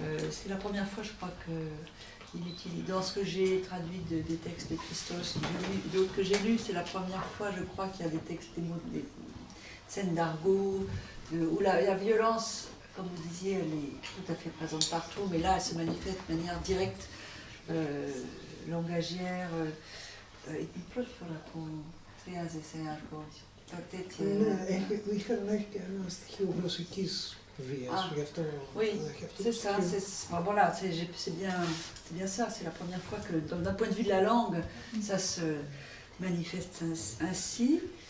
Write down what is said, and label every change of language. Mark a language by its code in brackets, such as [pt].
[fr] C'est la première fois, je crois, qu'il utilise, dans ce que j'ai traduit des textes de Christos, d'autres que j'ai lus, c'est la première fois, je crois, qu'il y a des textes, des scènes d'argot, où la violence, comme vous disiez, elle est tout à fait présente partout, mais là, elle se manifeste de manière directe, langagière. Et une plus pour la con, très assez argot. [el] Ναι, είχαν και ένα στοιχείο γλωσσικής βίας, γι' αυτό... [fr] Oui, c'est ça, c'est la première fois que, d'un point de vue de la langue, ça se manifeste ainsi.